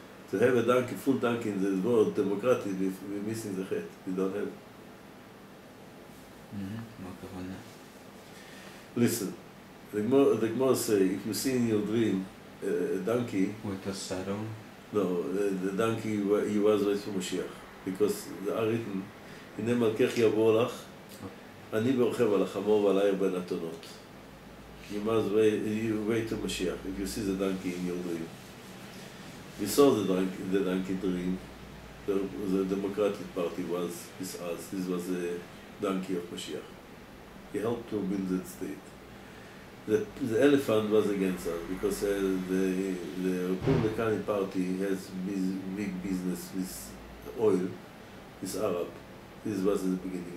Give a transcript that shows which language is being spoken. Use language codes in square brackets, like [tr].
[en] To have a donkey, full donkey in the world, Democrati, we're missing the chet. We don't have. Mm-hmm. Listen, the Gemara say, if you see in your dream a donkey... With a saddle? No, the donkey, he was raised from Moshiach. Because they are written, [he] הנה מלכך יבוא לך, אני ברוכב על החמור ועל העיר בין התונות. [en] You wait to Moshiach, if you see the donkey in your dream. We saw the donkey dream, the Democratic Party was with us, this was the... donkey of Moshiach. He helped to build that state. The elephant was against us because the Republican Party has big business with oil, with Arab. This was in the beginning.